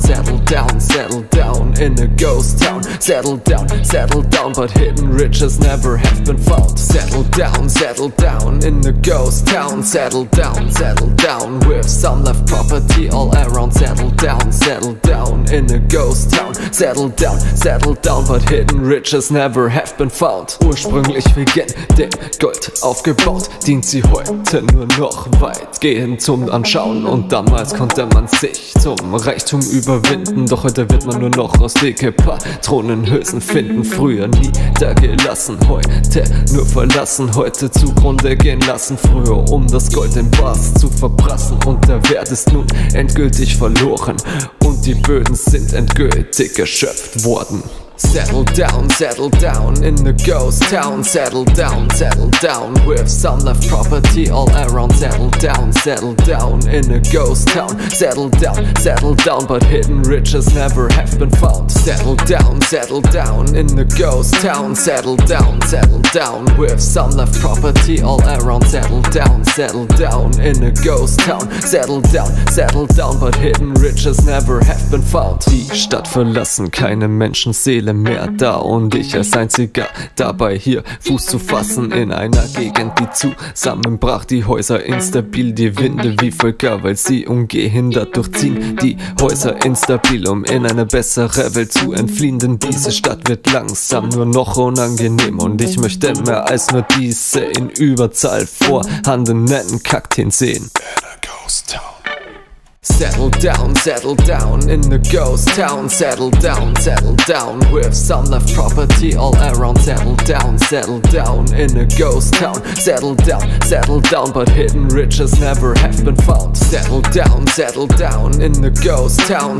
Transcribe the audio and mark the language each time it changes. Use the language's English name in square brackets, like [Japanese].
[English] Settle down in the ghost town. Settle down, but hidden riches never have been found. Settle down in the ghost town. Settle down with some left property all around. Settle down in the ghost town. Settle down, but hidden riches never have been found. [German] Ursprünglich wegen dem Gold aufgebaut, dient sie heute nur noch weitgehend zum Anschauen. Und damals konnte man sich zum Reichtum überwinden, doch heute wird man nur noch aus dicke Patronenhülsen finden. Früher niedergelassen, heute nur verlassen, heute zugrunde gehen lassen, früher um das Gold im Bass zu verprassen. Und der Wert ist nun endgültig verloren und die Böden sind endgültig geschöpft worden. [English] Settle down in the ghost town. Settle down with some left property all around. Settle down in a ghost town. Settle down, but hidden riches never have been found. Settle down in the ghost town. Settle down with some left property all around. Settle down in a ghost town. Settle down, but hidden riches never have been found. [German] Die Stadt verlassen, keine Menschenseele mehr da, und ich als einziger dabei hier Fuß zu fassen in einer Gegend, die zusammenbrach, die Häuser instabil, die Winde wie Völker, weil sie ungehindert durchziehen, die Häuser instabil, um in eine bessere Welt zu entfliehen, denn diese Stadt wird langsam nur noch unangenehm, und ich möchte mehr als nur diese in Überzahl vorhandenen Kakteen sehen. [English] Settle down in the ghost town. Settle down with some left property all around. Settle down in a ghost town. Settle down, but hidden riches never have been found. Settle down in the ghost town.